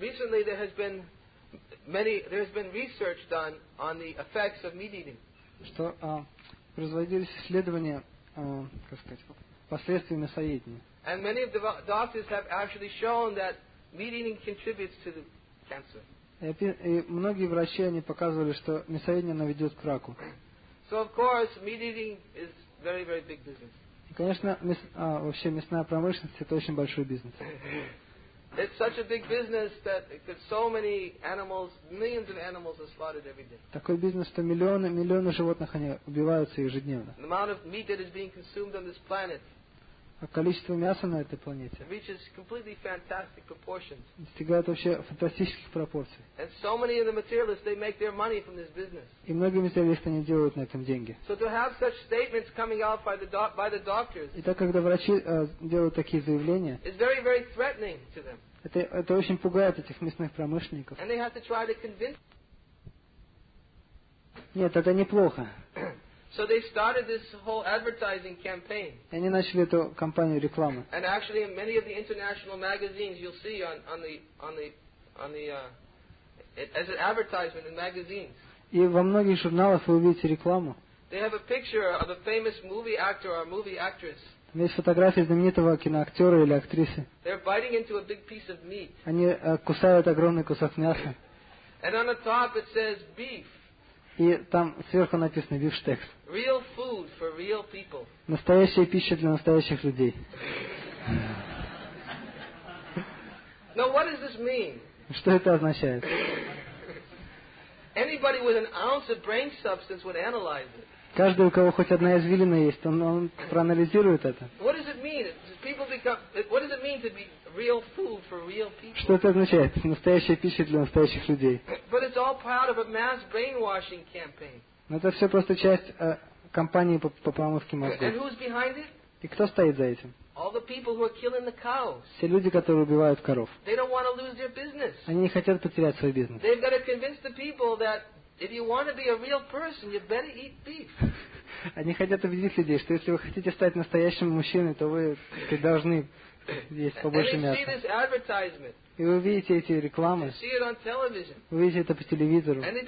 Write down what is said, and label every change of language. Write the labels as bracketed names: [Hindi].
[English] There has been research done on the effects of meat eating. [Russian] Что производились исследования, как сказать, последствий мясоедения. [English] And many of the doctors have actually shown that meat eating contributes to the cancer. [Russian] И многие врачи они показывали, что мясоедение наведет к раку. [English] So of course, meat eating is very, very big business. [Russian] И, конечно, вообще мясная промышленность это очень большой бизнес. [English] It's such a big business that so many animals, millions of animals are slaughtered every day. [Russian] Такой бизнес, что миллионы животных они убиваются ежедневно. [English] The amount of meat that is being consumed on this planet. [Russian] А количество мяса на этой планете. [English] Reaches completely fantastic proportions. [Russian] Достигает вообще фантастических пропорций. [English] And so many of the materialists, they make their money from this business. [Russian] И многие материалисты они делают на этом деньги. [English] So to have such statements coming out by the doctors. [Russian] И так когда врачи делают такие заявления. [English] It's very very threatening to them. [Russian] Это очень пугает этих мясных промышленников. [English] And they have to try to convince. [Russian] Нет, это неплохо. [English] So they started this whole advertising campaign. [Russian] Они начали эту кампанию рекламы. [English] And actually, in many of the international magazines, you'll see as an advertisement in magazines. [Russian] И во многих журналах вы увидите рекламу. [English] They have a picture of a famous movie actor or movie actress. [Russian] Там есть фотографии знаменитого киноактера или актрисы. [English] They're biting into a big piece of meat. [Russian] Они кусают огромный кусок мяса. [English] And on the top it says beef. [Russian] И там сверху написано бифштекс. [English] Real food for real people. [Russian] Настоящая пища для настоящих людей. [English] Now what does this mean? [Russian] Что это означает? [English] Anybody with an ounce of brain substance would analyze it. [Russian] Каждый, у кого хоть одна извилина есть, он проанализирует это. [English] What does it mean? People become. What does it mean to be real food for real people? [Russian] Что это означает? Настоящая пища для настоящих людей. [English] But it's all part of a mass brainwashing campaign. [Russian] Но это все просто часть кампании по промывке мозга. [English] And who's behind it? [Russian] И кто стоит за этим? [English] All the people who are killing the cows. [Russian] Все люди, которые убивают коров. [English] They don't want to lose their business. [Russian] Они не хотят потерять свой бизнес. [English] They've got to convince the people that if you want to be a real person, you better eat beef. [Russian] Они хотят убедить людей, что если вы хотите стать настоящим мужчиной, то вы должны есть побольше мяса. И вы видите эти рекламы. Вы видите это по телевизору.